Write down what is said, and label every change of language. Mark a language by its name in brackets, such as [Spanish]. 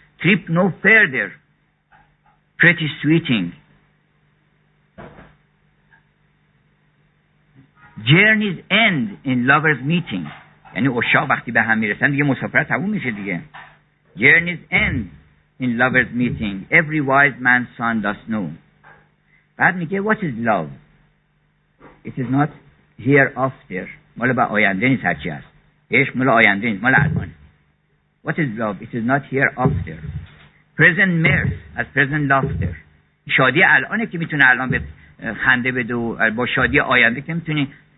[English] trip no further pretty sweeting journey's end in lovers meeting، [Persian] یعنی اشا وقتی به هم میرسن دیگه مسافرت تموم میشه دیگه. [English] journey's end in lovers meeting every wise man's son does know. [Persian] بعد میگه [English] what is love it is not hereafter، [Persian] مال با آینده نیست، هرچی هست عشق مال آینده نیست، مال الان. [English] What is love? It is not here after. Present mirth as present laughter. [Persian] شادی الانه که میتونه الان به خنده بده و با شادی آینده که میتونی.